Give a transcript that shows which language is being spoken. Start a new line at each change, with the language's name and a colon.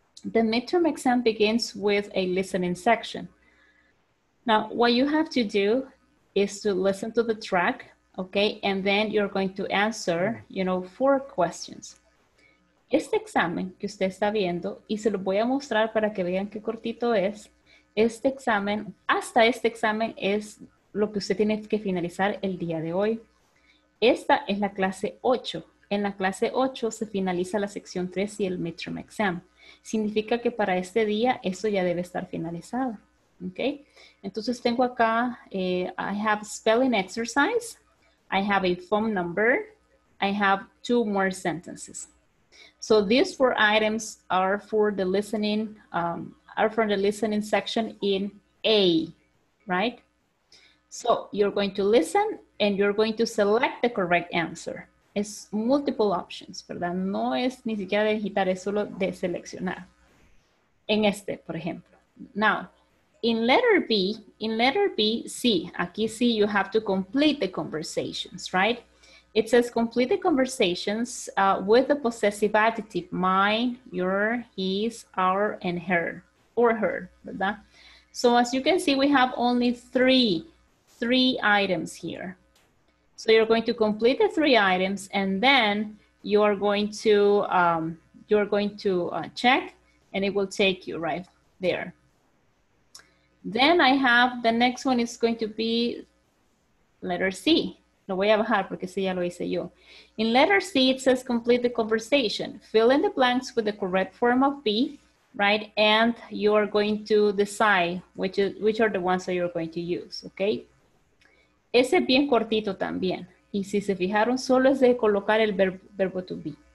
English: The midterm exam begins with a listening section. Now, what you have to do is to listen to the track, okay, and then you're going to answer, you know, 4 questions.
Spanish: Este examen que usted está viendo, y se lo voy a mostrar para que vean qué cortito es, este examen, hasta este examen es lo que usted tiene que finalizar el día de hoy. Esta es la clase 8, En la clase 8 se finaliza la sección 3 y el midterm exam. Significa que para este día eso ya debe estar finalizado.
English: Okay.
Spanish: Entonces tengo acá,
English: I have spelling exercise, I have a phone number, I have two more sentences. So these four items are for the listening, are from the listening section in A, right? So you're going to listen and you're going to select the correct answer.
Spanish: Es
English: multiple options,
Spanish: ¿verdad? No es ni siquiera de digitar, es solo de seleccionar. En este, por ejemplo.
English: Now, in letter B,
Spanish: sí, aquí sí,
English: you have to complete the conversations, right? It says complete the conversations with the possessive adjective, mine, your, his, our, and her, or her, ¿verdad? So as you can see, we have only three items here. So you're going to complete the three items and then you are going to check and it will take you right there. Then I have the next one is going to be letter C.
Spanish: Lo voy a bajar porque sí ya lo hice yo.
English: In letter C, it says complete the conversation. Fill in the blanks with the correct form of B, right? And you are going to decide which are the ones that you're going to use, okay?
Spanish: Ese es bien cortito también. Y si se fijaron, solo es de colocar el verbo to be.